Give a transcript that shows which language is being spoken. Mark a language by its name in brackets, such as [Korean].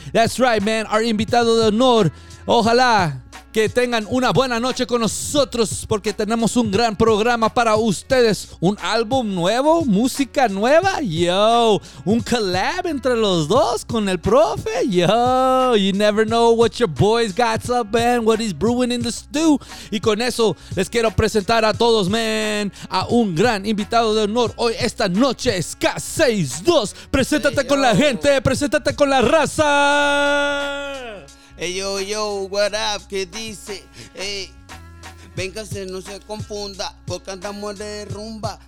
[English] That's right, man, our [Spanish] invitado de honor. Ojalá que tengan una buena noche con nosotros porque tenemos un gran programa para ustedes. Un álbum nuevo, música nueva, yo. Un collab entre los dos con el profe, yo. [English] You never know what your boy's got up, man, what he's brewing in the stew. [Spanish] Y con eso les quiero presentar a todos, man, a un gran invitado de honor. Hoy, esta noche, SK62. Preséntate, hey, con la gente, preséntate con la raza. Hey, yo, yo, [English] what up, [Spanish] ¿qué dice? Hey, véngase, no se confunda, porque andamos de rumba.